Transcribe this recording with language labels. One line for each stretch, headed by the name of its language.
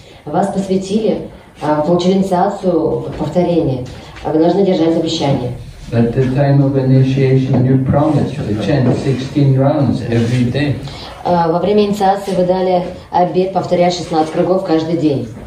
Russian: Вас посвятили, получили инициацию повторения. А вы должны держать обещание.
English: At the time of initiation, you promise to chant 16 rounds every day.
Russian: Во время инициации вы дали обет повторять 16 кругов каждый день.